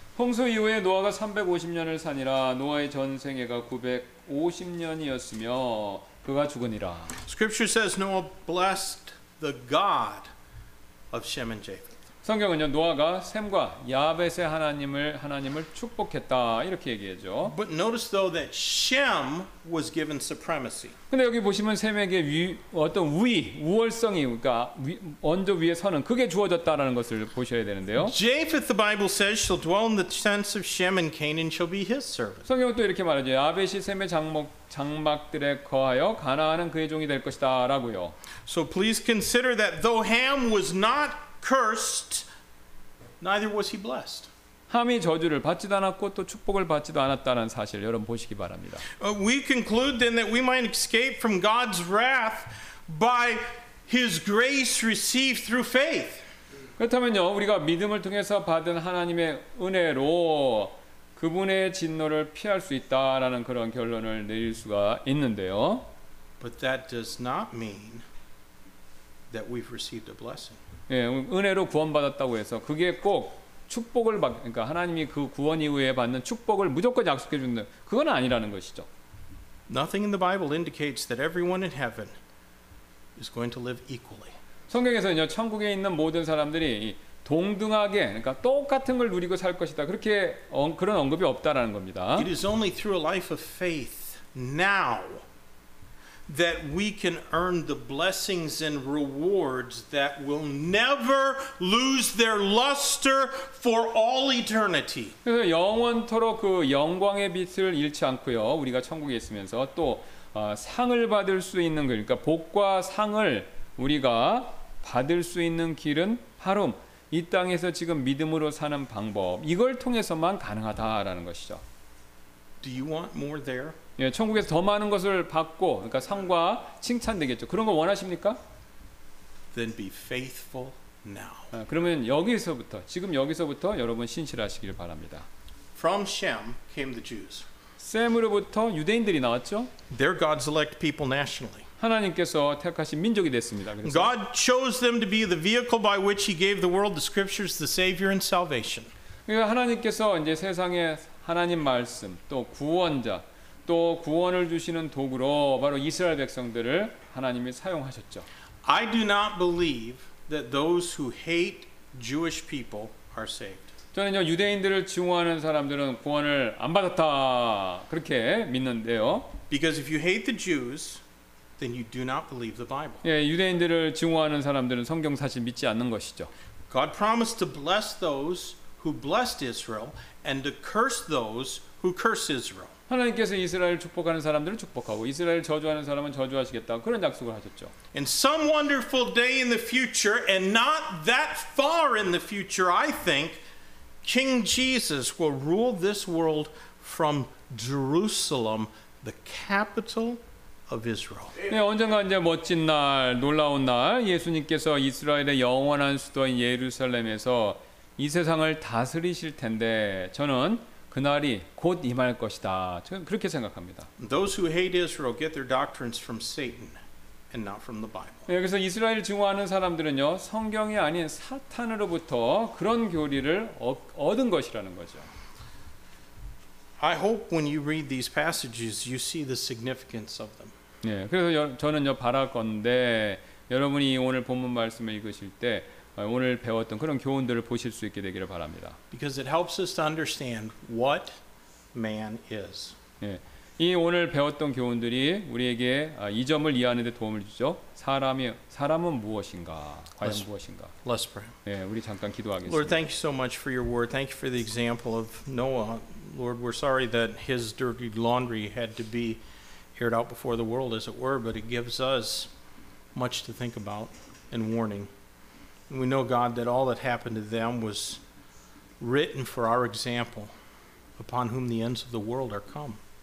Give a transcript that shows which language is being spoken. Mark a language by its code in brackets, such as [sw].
[ko] 홍수 이후에 노아가 350년을 사니라 노아의 전생애가 950년이었으며 그가 죽으니라. [en] Scripture says Noah blessed the God of Shem and Japheth. [ko] 성경은요 노아가 샘과 야벳의 하나님을 축복했다 이렇게 얘기하죠. [en] But notice though that Shem was given supremacy. [ko] 근데 여기 보시면 샘에게 어떤 위 우월성이 그러니까 언저 위에 서는 그게 주어졌다라는 것을 보셔야 되는데요. [en] Japheth the Bible says shall dwell in the tents of Shem and Canaan shall be his servant. [ko] 성경은 또 이렇게 말하죠. 야벳이 샘의 장막들에 거하여 가나안은 그의 종이 될 것이다라고요. [en] So please consider that though Ham was not cursed, neither was he blessed. [ko] 함이 저주를 받지도 않았고 또 축복을 받지도 않았다는 사실 여러분 보시기 바랍니다. [en] We conclude then that we might escape from God's wrath by His grace received through faith. [ko] 그렇다면요 우리가 믿음을 통해서 받은 하나님의 은혜로 그분의 진노를 피할 수 있다라는 그런 결론을 내릴 수가 있는데요. [en] But that does not mean that we've received a blessing. [ko] 예, 은혜로 구원받았다고 해서 그게 꼭 축복을 받 그러니까 하나님이 그 구원 이후에 받는 축복을 무조건 약속해 주는 그건 아니라는 것이죠. [en] Nothing in the Bible indicates that everyone in heaven is going to live equally. [ko] 성경에서는요, 천국에 있는 모든 사람들이 동등하게 그러니까 똑같은 걸 누리고 살 것이다. 그렇게 그런 언급이 없다라는 겁니다. [en] It is only through a life of faith now that we can earn the blessings and rewards that will never lose their luster for all eternity. [ko] 그래서 영원토록 그 영광의 빛을 잃지 않고요. 우리가 천국에 있으면서 또 상을 받을 수 있는 그러니까 복과 상을 우리가 받을 수 있는 길은 바로 이 땅에서 지금 믿음으로 사는 방법 이걸 통해서만 가능하다라는 것이죠. [en] Do you want more there? [ko] 예, 천국에서 더 많은 것을 받고 그러니까 상과 칭찬 되겠죠. 그런 거 원하십니까? [en] Then be faithful now. [ko] 아, 그러면 여기서부터 지금 여기서부터 여러분 신실하시길 바랍니다. [en] From Shem came the Jews. [ko] 셈으로부터 유대인들이 나왔죠. [en] They're God's elect people nationally. [ko] 하나님께서 택하신 민족이 됐습니다. 그래서 [en] God chose them to be the vehicle by which He gave the world the Scriptures, the Savior, and salvation. [ko] 그러니까 하나님께서 이제 세상에 하나님 말씀 또 구원자 또 구원을 주시는 도구로 바로 이스라엘 백성들을 하나님이 사용하셨죠. [en] I do not believe that those who hate Jewish people are saved. [ko] 저는요 유대인들을 증오하는 사람들은 구원을 안 받았다 그렇게 믿는데요. [en] Because if you hate the Jews, then you do not believe the Bible. [ko] 예, 유대인들을 증오하는 사람들은 성경 사실 믿지 않는 것이죠. [en] God promised to bless those who blessed Israel and to curse those who curse Israel. [ko] 하나님께서 이스라엘 축복하는 사람들을 축복하고 이스라엘 저주하는 사람은 저주하시겠다. 그런 약속을 하셨죠. [en] In some wonderful day in the future and not that far in the future, I think King Jesus will rule this world from Jerusalem, the capital of Israel. [ko] 네, 언젠가 이제 멋진 날, 놀라운 날, 예수님께서 이스라엘의 영원한 수도인 예루살렘에서 이 세상을 다스리실 텐데 저는 그날이 곧 임할 것이다. 저는 그렇게 생각합니다. [en] Those who hate Israel get their doctrines from Satan and not from the Bible. [ko] 네, 그래서 이스라엘을 증오하는 사람들은요, 성경이 아닌 사탄으로부터 그런 교리를 얻은 것이라는 거죠. [en] I hope when you read these passages, you see the significance of them. [ko] 네, 그래서 저는요 바라건대 여러분이 오늘 본문 말씀을 읽으실 때 오늘 배웠던 그런 교훈들을 보실 수 있게 되기를 바랍니다. [en] Because it helps us to understand what man is. [ko] 네, 이 오늘 배웠던 교훈들이 우리에게 이 점을 이해하는 데 도움을 주죠. 사람은 무엇인가? 과연 무엇인가? [en] Let's pray. [ko] 네, 우리 잠깐 기도하겠습니다. [en] Lord, thank you so much for your word. Thank you for the example of Noah. Lord, we're sorry that his dirty laundry had to be aired out before the world, as it were, but it gives us much to think about and warning. And we know, God, that all that happened to them was written for our example, upon whom the ends of the world are come.